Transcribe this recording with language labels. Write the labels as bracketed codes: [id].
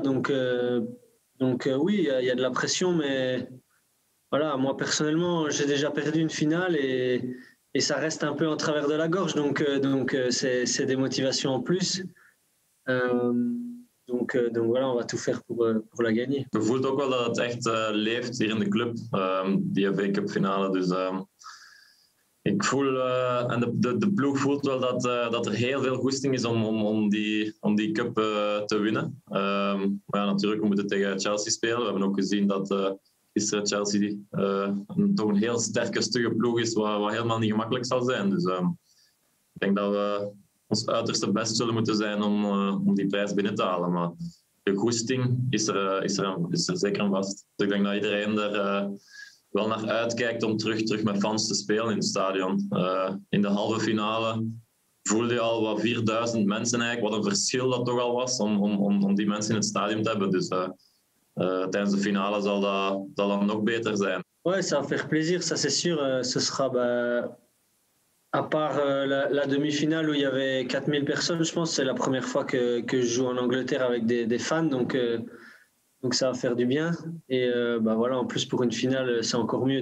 [fr] Donc, oui, il y a de la pression, mais voilà, moi personnellement, j'ai déjà perdu une finale et ça reste un peu en travers de la gorge. Donc, c'est des motivations en plus. Donc, voilà, on va tout faire pour la gagner. [nl] Je voel ook wel dat het echt leeft hier in de club, die FA Cup finale. Dus ik voel, en de ploeg voelt wel dat er heel veel goesting is om die cup te winnen. Maar natuurlijk, we moeten tegen Chelsea spelen. We hebben ook gezien dat gisteren Chelsea toch een heel sterke, stugge ploeg is, wat helemaal niet gemakkelijk zal zijn. Dus ik denk dat we ons uiterste best zullen moeten zijn om die prijs binnen te halen. Maar de goesting is er zeker aan vast. Dus ik denk dat iedereen er wel naar uitkijkt om terug met fans te spelen in het stadion. In de halve finale voelde je al wat 4000 mensen eigenlijk. Wat een verschil dat toch al was om die mensen in het stadion te hebben. Dus tijdens de finale zal dat dan nog beter zijn. [fr] Ouais, ça va faire plaisir, ça c'est sûr. Ce sera à part la demi-finale où il y avait 4000 personnes, je pense que c'est la première fois que je joue en Angleterre avec des fans, donc ça va faire du bien. Et voilà, en plus pour une finale, c'est encore mieux.